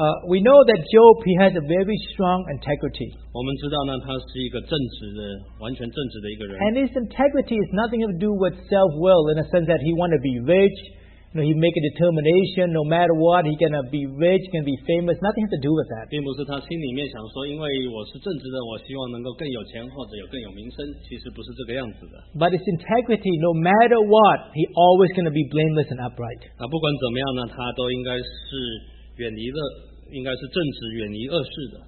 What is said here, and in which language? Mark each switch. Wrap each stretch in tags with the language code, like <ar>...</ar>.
<en>We know that Job, he has a very strong integrity.</en> <zh>我们知道呢,他是一个正直的,完全正直的一个人。</zh> <en>And his integrity is nothing to do with self-will in a sense that he wants to be rich. You know, he make a determination, no matter what, he gonna be rich, gonna be famous. Nothing has to do with that.</en> <zh>并不是他心里面想说，因为我是正直的，我希望能够更有钱或者有更有名声。其实不是这个样子的。</zh> <en>But his integrity, no matter what, he always gonna be blameless and upright.</en> <zh>那不管怎么样呢，他都应该是远离恶，应该是正直，远离恶事的。</zh>